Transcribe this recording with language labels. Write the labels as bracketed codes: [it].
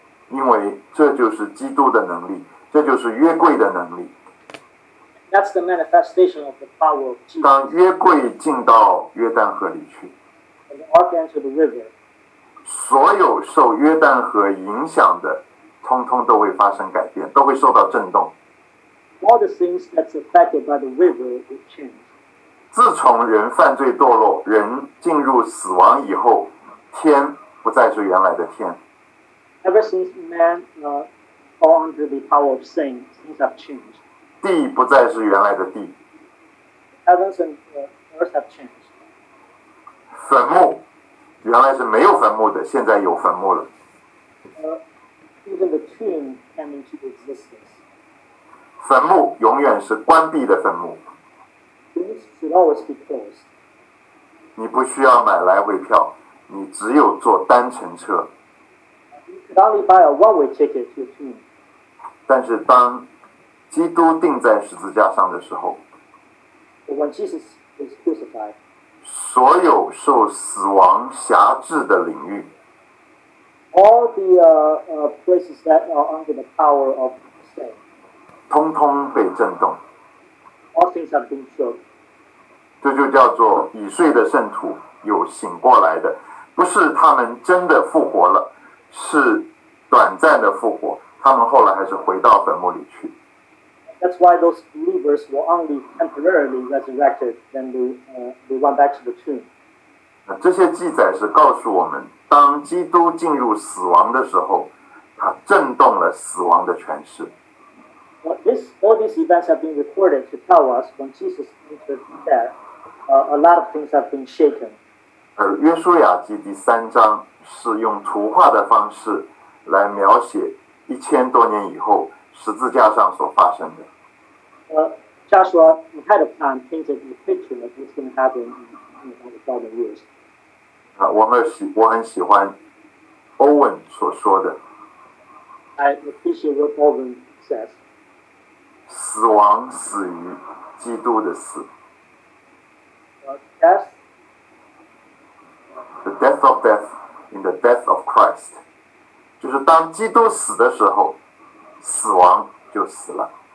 [zh] 因为这就是基督的能力，这就是约柜的能力。 [en] That's the manifestation of the power of Jesus. [zh] 当约柜进到约旦河里去， [en] And the ark entered the river. [zh] 所有受约旦河影响的，通通都会发生改变，都会受到震动。 [en] All the things that's affected by the river will change. [zh] 自从人犯罪堕落，人进入死亡以后，天不再是原来的天。 [en] Ever since man fall under the power of sin, things have changed. [zh] 地不再是原来的地。 [en] Heavens and earth have changed. [zh] 坟墓原来是没有坟墓的，现在有坟墓了。 [en] Even the tomb came into existence. [zh] 坟墓永远是关闭的坟墓。 [en] Should always be closed. [zh] 你不需要买来回票，你只有坐单程车。 [en] You could only buy a one-way ticket to the tomb. [zh] 但是当基督钉在十字架上的时候， [en] When Jesus was crucified, [zh] 所有受死亡辖制的领域， [en] All the places that are under the power of sin, [zh] 通通被震动。 [en] All things have been shook. [zh] 这就叫做已睡的圣徒有醒过来的，不是他们真的复活了，是短暂的复活，他们后来还是回到坟墓里去。 [en] That's why those believers were only temporarily resurrected, then they went back to the tomb. [zh] 这些记载是告诉我们，当基督进入死亡的时候，他震动了死亡的权势。 [en] All these events have been recorded to tell us when Jesus entered death, a lot of things have been shaken. [zh] 而约书亚记第三章是用图画的方式来描写一千多年以后十字架上所发生的。 [en] Joshua ahead of time painted a picture of what's going to happen in the following years. [zh] 我很喜欢欧文所说的。 [en] I appreciate what Owen says. [zh] 死亡死于基督的死。 [en] death? The death of death in the death of Christ. [zh] 就是当基督死的时候，死亡就死了。